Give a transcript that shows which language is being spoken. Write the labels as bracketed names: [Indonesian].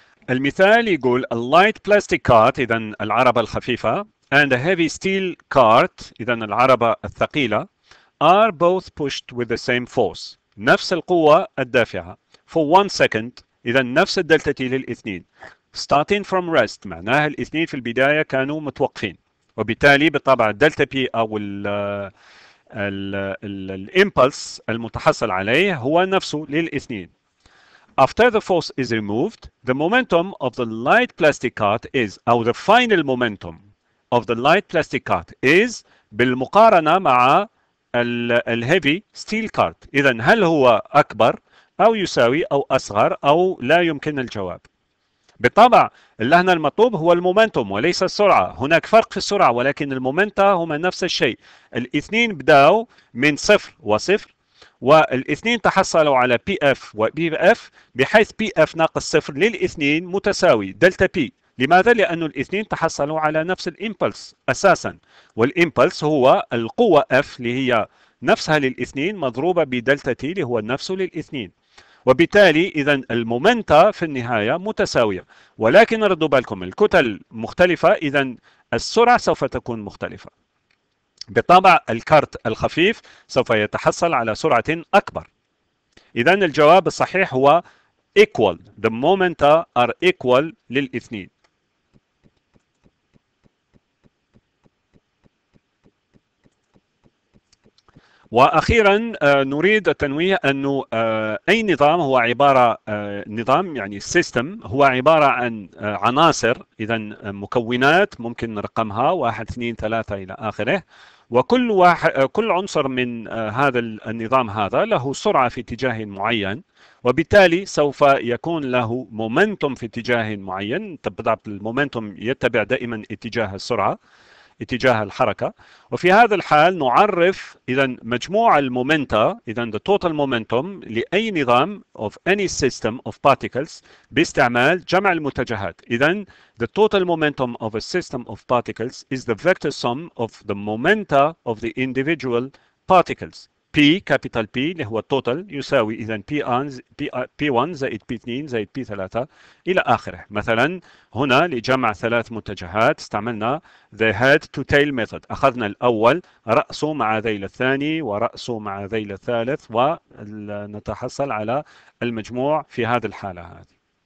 [Arabic] المثال يقول [English] a light plastic cart، [Arabic] إذا العربة الخفيفة، [English] and a heavy steel cart، [Arabic] إذا العربة الثقيلة، [English] are both pushed with the same force، [Arabic] نفس القوة الدافعة، [English] for 1 second، [Arabic] إذا نفس الدلتا تي للإثنين، [English] starting from rest، [Arabic] معناها الإثنين في البداية كانوا متوقفين، وبالتالي بالطبع الدلتا بي أو الإمبلس المتحصل عليه هو نفسه للإثنين. [English] After the force is removed, the momentum of the light plastic cart is, or the final momentum of the light plastic cart is, [Arabic] بالمقارنة مع ال [English] heavy steel cart. [Arabic] إذا هل هو أكبر أو يساوي أو أصغر أو لا يمكن الجواب. بالطبع هنا المطلوب هو المومنتوم وليس السرعة، هناك فرق في السرعة ولكن المومنتا هما نفس الشيء. الاثنين بدأوا من صفر وصفر، والاثنين تحصلوا على بي اف وبي اف، بحيث بي اف ناقص صفر للاثنين متساوي دلتا بي. لماذا؟ لأن الاثنين تحصلوا على نفس الامبلس اساسا، والامبلس هو القوة اف اللي هي نفسها للاثنين مضروبة بدلتا تي اللي هو نفسه للاثنين، وبالتالي اذا المومنتا في النهاية متساوية، ولكن ردوا بالكم الكتل مختلفة، اذا السرعة سوف تكون مختلفة. بالطبع الكارت الخفيف سوف يتحصل على سرعة أكبر. إذن الجواب الصحيح هو equal. [English] The momenta are equal [Arabic] للإثنين. وأخيرا نريد التنويه أن أي نظام هو عبارة نظام يعني system هو عبارة عن عناصر، إذن مكونات ممكن نرقمها 1 2 3 إلى آخره، وكل واحد كل عنصر من هذا النظام هذا له سرعة في اتجاه معين، وبالتالي سوف يكون له مومنتوم في اتجاه معين. بالضبط المومنتوم يتبع دائما اتجاه السرعة، اتجاه الحركة. وفي هذا الحال نعرف اذا مجموع المومنتا، اذا [English] the total momentum [Arabic] لاي نظام [English] of any system of particles [Arabic] باستعمال جمع المتجهات. اذا [English] the total momentum of a system of particles is the vector sum of the momenta of the individual particles. [Arabic] P capital P اللي هو total يساوي اذا P1 زائد P2 زائد P3 الى اخره. مثلا هنا لجمع ثلاث متجهات استعملنا [English] the head to tail method، [Arabic] اخذنا الاول رأسه مع ذيل الثاني ورأسه مع ذيل الثالث، ونتحصل على المجموع في هذه الحالة هذه.